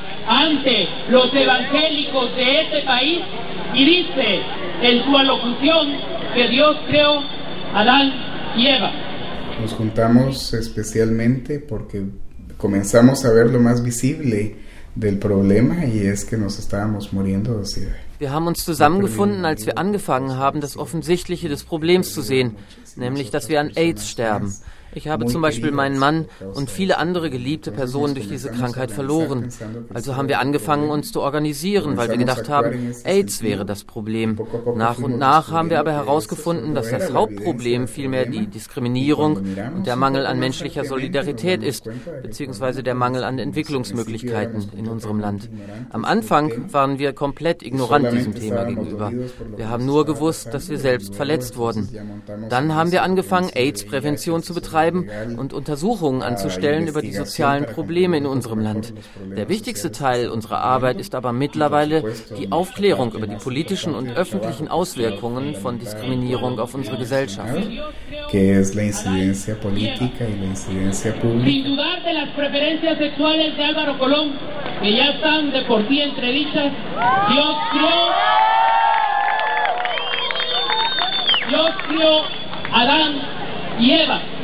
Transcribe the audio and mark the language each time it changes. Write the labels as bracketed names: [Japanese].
[Spanish] Ante los evangélicos de este país y dice en su alocución que Dios creó Adán y Eva. Nos juntamos especialmente porque comenzamos a ver lo más visible del problema y es que nos estábamos muriendo de sida. [German] Wir haben uns zusammengefunden, als wir angefangen haben, das Offensichtliche des Problems zu sehen, nämlich, dass wir an AIDS sterben. Ich habe zum Beispiel meinen Mann und viele andere geliebte Personen durch diese Krankheit verloren. Also haben wir angefangen, uns zu organisieren, weil wir gedacht haben, AIDS wäre das Problem. Nach und nach haben wir aber herausgefunden, dass das Hauptproblem vielmehr die Diskriminierung und der Mangel an menschlicher Solidarität ist, beziehungsweise der Mangel an Entwicklungsmöglichkeiten in unserem Land. Am Anfang waren wir komplett ignorant diesem Thema gegenüber. Wir haben nur gewusst, dass wir selbst verletzt wurden. Dann haben wir angefangen, AIDS-Prävention zu betreiben und Untersuchungen anzustellen über die sozialen Probleme in unserem Land. Der wichtigste Teil unserer Arbeit ist aber mittlerweile die Aufklärung über die politischen und öffentlichen Auswirkungen von Diskriminierung auf unsere Gesellschaft. [Spanish] Que es la incidencia política y la incidencia pública. Sin dudar de las preferencias sexuales de Álvaro Colón, que ya están de por sí entredichas, Dios creó Adán y Eva.